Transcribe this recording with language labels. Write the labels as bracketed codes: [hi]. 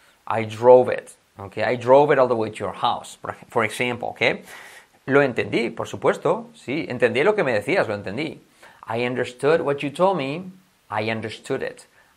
[en] Okay, I drove it all the way to your house, for example, okay? [es] Lo entendí, por supuesto, sí, entendí lo que me decías, lo entendí. [en] I understood what you told me, I understood it.